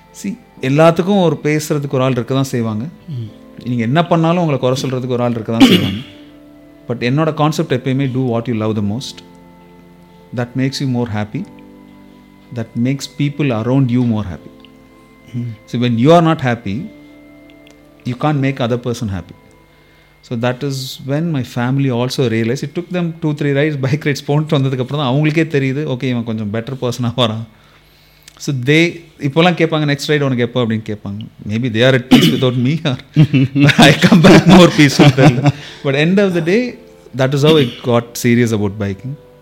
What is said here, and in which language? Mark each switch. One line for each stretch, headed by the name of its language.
Tamil: C, எல்லாத்துக்கும் ஒரு பேசுகிறதுக்கு ஒரு ஆள் இருக்க தான் செய்வாங்க. நீங்கள் என்ன பண்ணாலும் உங்களை குறை சொல்கிறதுக்கு ஒரு ஆள் இருக்க தான் செய்வாங்க.
English: but
Tamil: என்னோட கான்செப்ட் எப்பயுமே
English: Two what you love the most, that makes you more happy, that makes people around you more happy. So when you are not happy, you Khan make other person happy. So that is when my family also realized. It took them 2-3 rides, bike rides
Tamil: போன்ட்டு வந்ததுக்கப்புறம் தான் அவங்களுக்கே தெரியுது, okay இவன் கொஞ்சம் better பர்சனாக வரான்.
English: so they
Tamil: இப்போலாம் கேட்பாங்க,
English: next ride
Tamil: உனக்கு எப்போ அப்படின்னு கேட்பாங்க.
English: Maybe they are at peace without me, or I come back more peace. But end of the day that is how I got serious about biking.